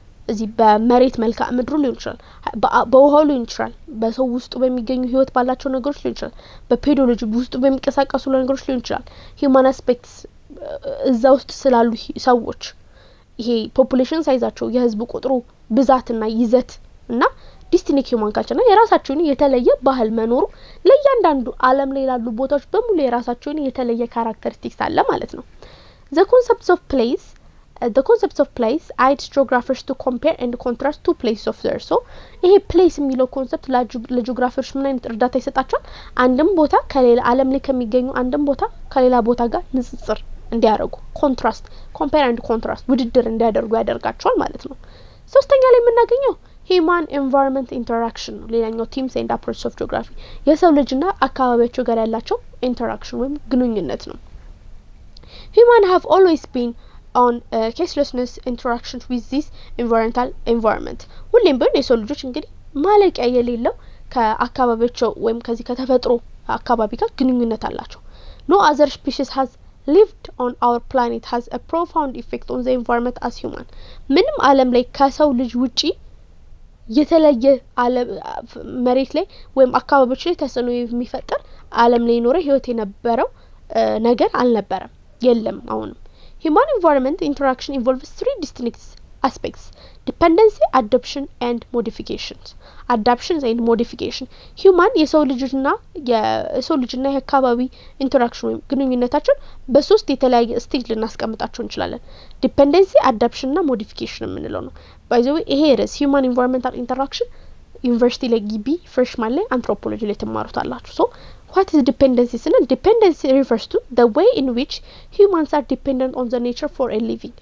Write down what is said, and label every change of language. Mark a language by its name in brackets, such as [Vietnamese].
[Amharic] እዚህ በመሬት መልካ ምድሩ ሊሆን ይችላል በውሃው ሊሆን ይችላል በሰው ውስጥ በሚገኙ ህይወት ባላቸው ነገሮች ሊሆን ይችላል በፔዶሎጂ ውስጥ በሚንቀሳቀሱ ነገሮች ሊሆን ይችላል ሂውማን አስፔክትስ እዛ ውስጥ ስላሉ ሰዎች ይሄ ፖፑሌሽን ሳይዛቸው የህዝብ ቁጥሩ ብዛትና ይዘት እና ዲስቲኒክ ሂውማን ካልቸር እና የራሳቸውን የተለየ ባህል መኖሩ ለእያንዳንዱ ዓለም ላይ ላሉ ቦታዎች በሙሉ የራሳቸውን የተለየ ካራክተሪስቲክስ አለ ማለት ነው [English] ዘ ኮንሰፕትስ ኦፍ ፕሌስ The concepts of place aid geographers to compare and contrast two places of theirs. [Amharic] So, ehe place የሚለው concept ለgeographers ምን አይነት እርዳታ ይሰጣቸዋል? አንድም ቦታ ከሌላ ዓለም ላይ ከሚገኙ አንድም ቦታ ከሌላ ቦታ ጋር ንጽጽር እንዲያደርጉ contrast, compare and contrast ውድድር እንዲያደርጉ ያደርጋቸዋል ማለት ነው። ሶስተኛ ላይ የምናገኘው human environment interaction ሌላኛው themes and approaches of geography የሰው ልጅና አካባቢያቸው ጋር ያላቸው interaction ወይም ግንኙነት ነው። [English] Human have always been on caselessness interactions with this environment. [Amharic] ሁሌም ቢሆን የሰው ልጆች እንግዲህ ማለቂያ የሌለው ከአካባቢያቸው ወይም ከዚህ ከተፈጥሮ አካባቢ ጋር ግንኙነት አላቸው። [English] No other species has lived on our planet has a profound effect on the environment as human. [Amharic] ምንም ዓለም ላይ ከሰው ልጅ ውጪ የተለየ ዓለም መሬት ላይ ወይም አካባቢዎች ላይ ተጽዕኖ የሚፈጥር ዓለም ላይ ኖረ ህይወት የነበረው ነገር አልነበረም የለም አሁን። [English] Human environment interaction involves three distinct aspects: dependency, adaptation and modification. Adaptations and modification. [Amharic] Human የሰው ልጅና የአካባቢ interaction ወይም ግንኙነታቸው በሶስት የተለያየ stage ልናስቀምጣቸው እንችላለን። Dependency, adaptation እና modification የምንለው ነው። [English] By the way, [Amharic] ይሄ ርዕስ human environmental interaction ዩኒቨርሲቲ ላይ ግቢ ፍሬሽማን ላይ አንትሮፖሎጂ ላይ ተማሩታላችሁ። ሶ [English] what is dependency? Dependency refers to the way in which humans are dependent on the nature for a living.